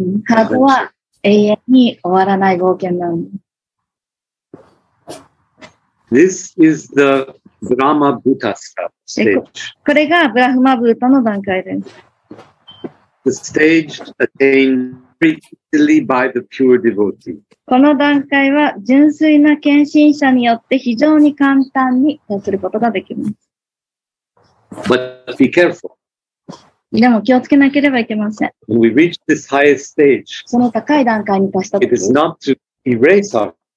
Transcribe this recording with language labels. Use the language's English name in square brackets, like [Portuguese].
[Japanese] ハートは永遠に終わらない冒険なんです。 [English] This is the Brahma Bhuta stage. [Japanese] これがブラフマブータの段階です。 [English] The stage attained strictly by the pure devotee. [Japanese] この段階は純粋な献身者によって非常に簡単に達することができます。 [English] But be careful. [Japanese] でも気をつけなければいけません。 [English] When we reach this highest stage, [Japanese] その高い段階に達した時、 [English] it is not to erase our